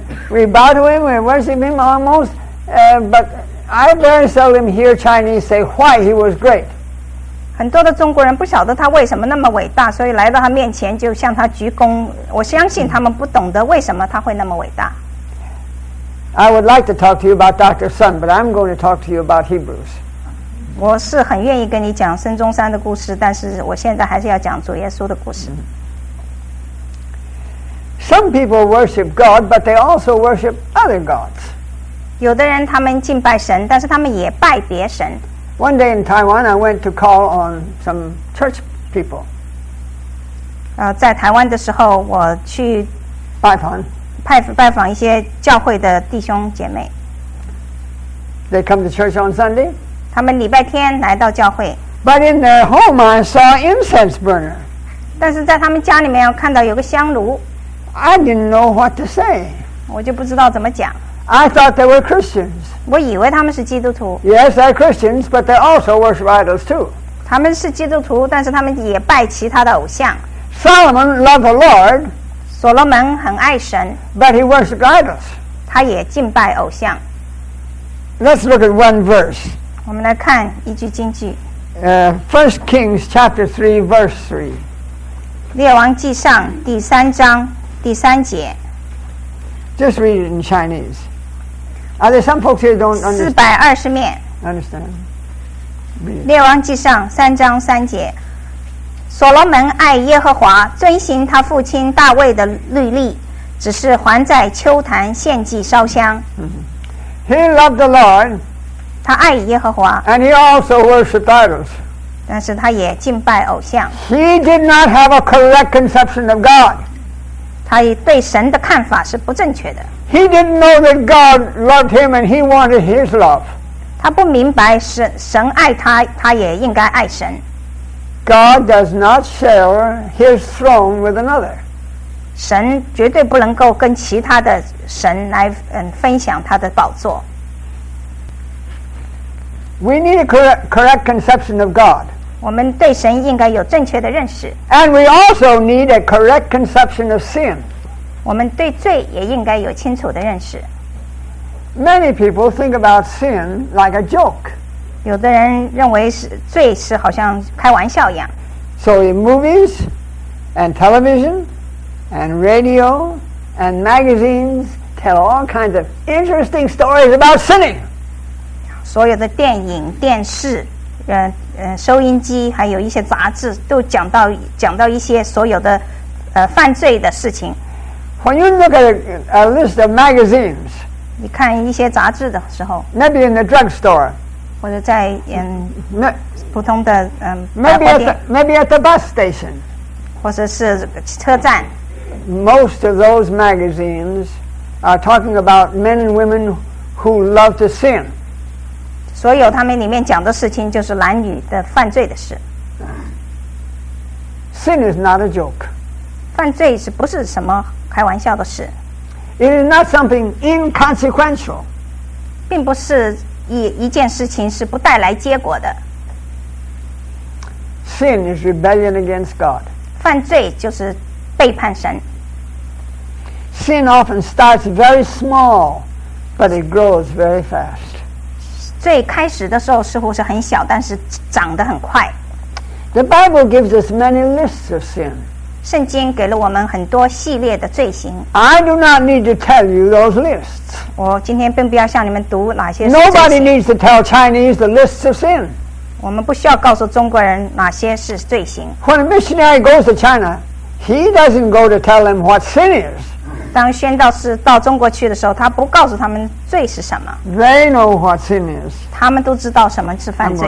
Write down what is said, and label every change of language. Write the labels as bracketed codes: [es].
[en] We bow to him, we worship him almost, but I very seldom hear Chinese say why he was great. [zh] 很多的中国人不晓得他为什么那么伟大，所以来到他面前就向他鞠躬。我相信他们不懂得为什么他会那么伟大。 [en] I would like to talk to you about Dr. Sun, but I'm going to talk to you about Hebrews. [zh] 我是很愿意跟你讲孙中山的故事，但是我现在还是要讲主耶稣的故事。 [en] Some people worship God, but they also worship other gods. [zh] 有的人他们敬拜神，但是他们也拜别神。 [en] One day in Taiwan, I went to call on some church people. [zh] 在台湾的时候，我去拜访一些教会的弟兄姐妹。 [en] They come to church on Sunday. [zh] 他们礼拜天来到教会。 [en] But in their home, I saw incense burner. [zh] 但是在他们家里面，我看到有个香炉。 [en] I didn't know what to say. [zh] 我就不知道怎么讲。 [en] I thought they were Christians. [zh] 我以为他们是基督徒。 [en] Yes, they're Christians, but they also worship idols too. [zh] 他们是基督徒，但是他们也拜其他的偶像。 [en] Solomon loved the Lord. [zh] 所罗门很爱神。 [en] But he worshiped idols. [zh] 他也敬拜偶像。 [en] Let's look at one verse. [zh] 我们来看一句经句。 [en] First Kings chapter 3, verse 3. [zh] 列王记上第三章第三节。 [en] Just read it in Chinese. Are there some folks here who don't understand? [zh] 420面。 [en] Understand. [zh] 列王记上三章三节。所罗门爱耶和华，遵行他父亲大卫的律例，只是还在丘坛献祭烧香。 [en] He loved the Lord. [zh] 他爱耶和华。 [en] And he also worshipped idols. [zh] 但是他也敬拜偶像。 [en] He did not have a correct conception of God. [zh] 他对神的看法是不正确的。 [en] He didn't know that God loved him and he wanted his love. [zh] 他不明白神爱他，他也应该爱神。 [en] God does not share his throne with another. [zh] 神绝对不能够跟其他的神来分享他的宝座。 [en] We need a correct conception of God. [zh] 我们对神应该有正确的认识。 [en] And we also need a correct conception of sin. [zh] 我们对罪也应该有清楚的认识。 [en] Many people think about sin like a joke. [zh] 有的人认为罪是好像开玩笑一样。 [en] So in movies and television and radio and magazines tell all kinds of interesting stories about sinning. [zh] 所有的电影、电视收音机还有一些杂志都讲到一些所有的犯罪的事情。 [en] When you look at a list of magazines, [zh] 你看一些杂志的时候， [en] maybe in the drugstore, [zh] 或者在普通的 [en] maybe at the bus station, [zh] 或者是车站。 [en] Most of those magazines are talking about men and women who love to sin. [zh] 所有他们里面讲的事情就是男女的犯罪的事。 [en] Sin is not a joke. [zh] 犯罪是不是什么开玩笑的事。 [en] It is not something inconsequential. [zh] 并不是一件事情是不带来结果的。 [en] Sin is rebellion against God. [zh] 犯罪就是背叛神。 [en] Sin often starts very small, but it grows very fast. [zh] 最开始的时候似乎是很小，但是长得很快。 [en] The Bible gives us many lists of sin. [zh] 圣经给了我们很多系列的罪行。 [en] I do not need to tell you those lists. [zh] 我今天并不要向你们读哪些。 [en] Nobody needs to tell Chinese the lists of sin. [zh] 我们不需要告诉中国人哪些是罪行。 [en] When a missionary goes to China, he doesn't go to tell them what sin is. [zh] 当宣道士到中国去的时候，他不告诉他们罪是什么。 [en] They know what sin is. [zh] 他们都知道什么是犯罪。